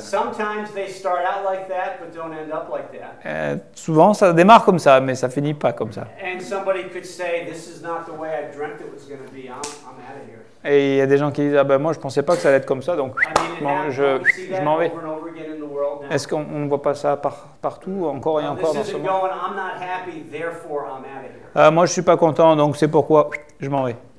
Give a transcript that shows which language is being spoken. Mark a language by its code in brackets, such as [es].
[en] Sometimes they start out like that, but don't end up like that. [fr] Souvent, ça démarre comme ça, mais ça finit pas comme ça. [en] And somebody could say, this is not the way I dreamt it was going to be. I'm out of here. [fr] Et il y a des gens qui disent, ah ben moi je pensais pas que ça allait être comme ça, donc je m'en vais. Est-ce qu'on ne voit pas ça partout, encore et encore dans ce monde? Moi je suis pas content, donc c'est pourquoi je m'en vais.